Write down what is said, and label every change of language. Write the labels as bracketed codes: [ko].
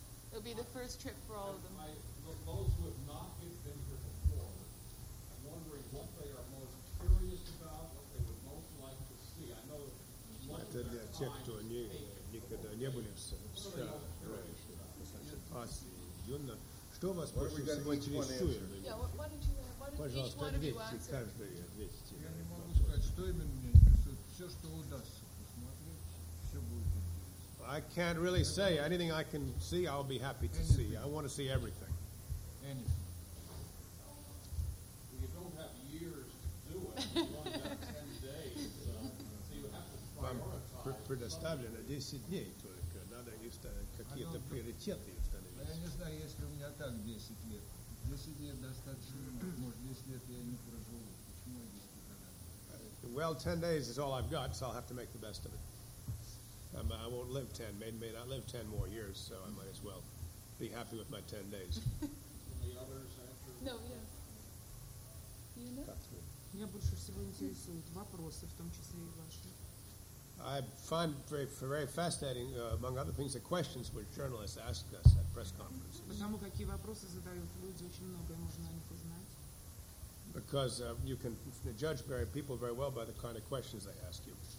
[en] It'll be the first trip for all of them. Those who have not been here before, I'm wondering what they are most curious about, what they would most like to see. I know that [ru] это для тех, кто никогда не были в США. Что вас больше всего интересует? Пожалуйста, ответьте, каждый ответьте. Я не могу сказать, что именно мне интересует. Все, что удастся посмотреть, все будет интересно. [en] I can't really say. Anything I can see, I'll be happy to see. I want to see everything. Anything. Well, you don't have years to do it. You only have 10 days. So you have to prioritize. [ru] Предоставлено 10 дней только. Надо какие-то приоритеты установить. Я не знаю, если у меня так 10 лет. 10 лет достаточно. Может, 10 лет я не проживу. Почему я 10 лет? [en] Well, 10 days is all I've got, so I'll have to make the best of it. I won't live 10. May not live 10 more years, so I might as well be happy with my 10 days. Any others after? No, yes. You know? [ru] Я больше всего интересуют вопросы, в том числе и ваши. [en] I find very fascinating, among other things, the questions which journalists ask us at press conferences. [ru] Потому какие вопросы задают люди, очень многое можно о них узнать. [en] Because you can judge people very well by the kind of questions they ask you.